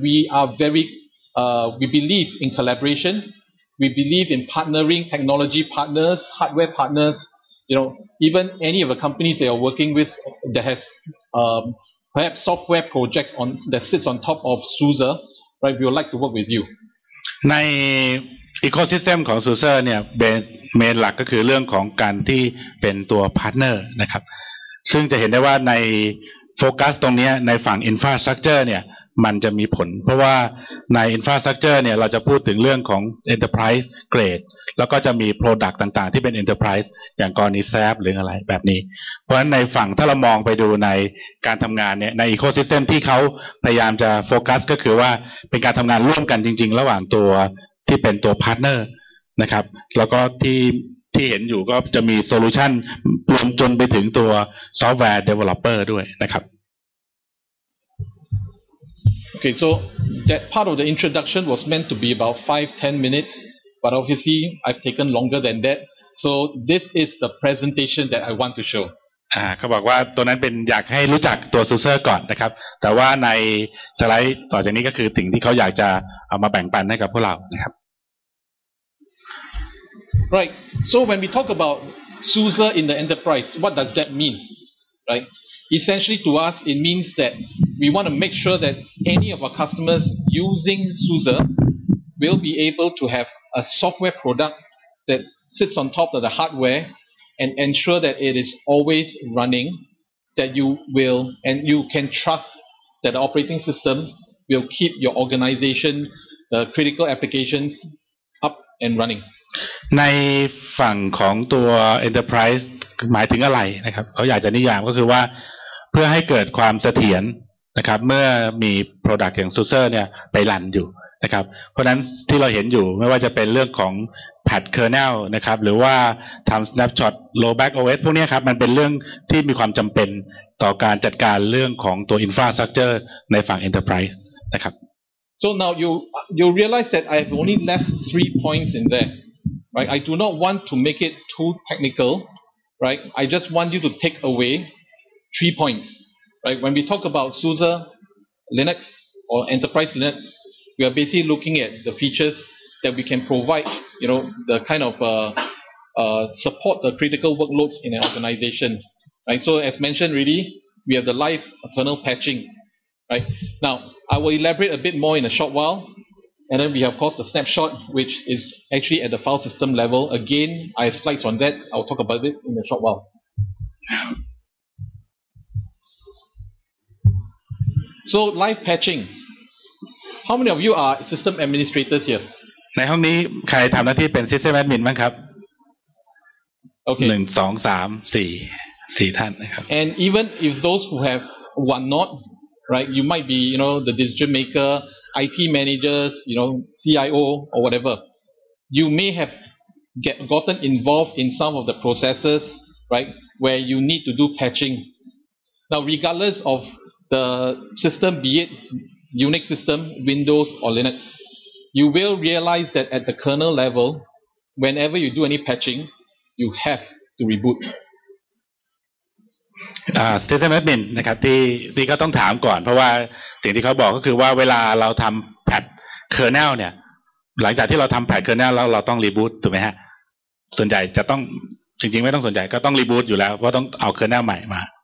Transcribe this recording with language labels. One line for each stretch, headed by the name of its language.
English: We are very, we believe in collaboration. We believe in partnering technology partners, hardware partners,You know, even any of the companies they are working with that has perhaps software projects on that sits on top of SUSE, right? We would like to work with you.
Thai: ใน ecosystem ของ SUSE เนี่ย main หลักก็คือเรื่องของการที่เป็นตัว partner นะครับซึ่งจะเห็นได้ว่าในโฟกัสตรงนี้ในฝั่ง infrastructure เนี่ยมันจะมีผลเพราะว่า ใน infrastructure เนี่ยเราจะพูดถึงเรื่องของ enterprise grade แล้วก็จะมี product ต่างๆที่เป็น enterprise อย่างกรณี SAP หรืออะไรแบบนี้เพราะฉะนั้นในฝั่งถ้าเรามองไปดูในการทำงานเนี่ยใน ecosystem ที่เขาพยายามจะโฟกัสก็คือว่าเป็นการทำงานร่วมกันจริงๆระหว่างตัวที่เป็นตัว partner นะครับแล้วก็ที่เห็นอยู่ก็จะมี solution รวมจนไปถึงตัว software developer ด้วยนะครับ
English: Okay, so that part of the introduction was meant to be about 5-10 minutes, but obviously I've taken longer than that. So this is the presentation that I want to show.
Thai: เขาบอกว่าตัวนั้นเป็นอยากให้รู้จักตัว SUSE ก่อนนะครับแต่ว่าในสไลด์ต่อจากนี้ก็คือสิ่งที่เขาอยากจะเอามาแบ่งปันให้กับพวกเรานะครับ
English: Right. So when we talk about SUSE in the enterprise, what does that mean? Right. Essentially to us, it means that we want to make sure that any of our customers using SUSE will be able to have a software product that sits on top of the hardware and ensure that it is always running, that you will and you can trust that the operating system will keep your organization, the critical applications up and running.
Thai: ในฝั่งของตัว enterprise หมายถึงอะไรนะครับเขาอยากจะนิยามก็คือว่าเพื่อให้เกิดความเสถียรนะครับเมื่อมี product อย่าง SUSE เนี่ยไปรันอยู่นะครับเพราะนั้นที่เราเห็นอยู่ไม่ว่าจะเป็นเรื่องของ patch kernel นะครับหรือว่าทำ snapshot rollback OS พวกนี้ครับมันเป็นเรื่องที่มีความจำเป็นต่อการจัดการเรื่องของตัว infrastructure ในฝั่ง enterprise นะครับ
English: So now you realize that I have only left three points in there right? I do not want to make it too technical, right? I just want you to take away 3 points, right? When we talk about SUSE Linux or Enterprise Linux, we are basically looking at the features that we can provide, you know, the kind of support the critical workloads in an organization, right? So as mentioned already, we have the live kernel patching, right? Now, I will elaborate a bit more in a short while, and then we have, of course, the snapshot, which is actually at the file system level. Again, I have slides on that. I'll talk about it in a short while. So, live patching. How many of you are system administrators here?
Thai: ในห้องนี้ใครทำหน้าที่เป็น system admin บ้างครับ
English: Okay.
Thai: 1 2 3 4 4ท่านนะครับ
English: And even if those who have one not, right, you might be, you know, the decision maker, IT managers, you know, CIO or whatever. You may have gotten involved in some of the processes, right, where you need to do patching. Now, regardless of the system, be it Unix system, Windows or Linux, you will realize that at the kernel level, whenever you do any patching, you have to reboot.
Thai: System admin นะครับที่ก็ต้องถามก่อนเพราะว่าสิ่งที่เขาบอกก็คือว่าเวลาเราทำแพทเคอร์เนลเนี่ยหลังจากที่เราทำแพทเคอร์เนลแล้วเราต้องรีบูทถูกไหมฮะส่วนใหญ่จะต้องจริงๆไม่ต้องส่วนใหญ่ก็ต้องรีบูทอยู่แล้วเพราะต้องเอาเคอร์เนลใหม่มา